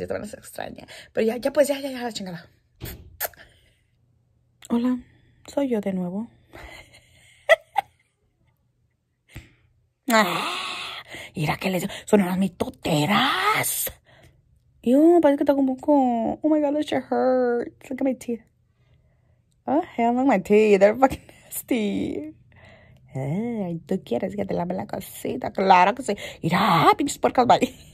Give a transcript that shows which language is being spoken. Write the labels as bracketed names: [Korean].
[Spanish] Yo también les extraño. Pero ya, la chingada. Hola, soy yo de nuevo. Ah, ¿irá que les... Son unas mitoteras. Yo, parece que tengo un poco... [English] Oh my God, that shit hurts. Look at my teeth. Oh, hell on my teeth, they're fucking nasty. [Spanish] ¿Tú quieres que te lave la cosita? Claro que sí. Irá, pinches puercas, bye.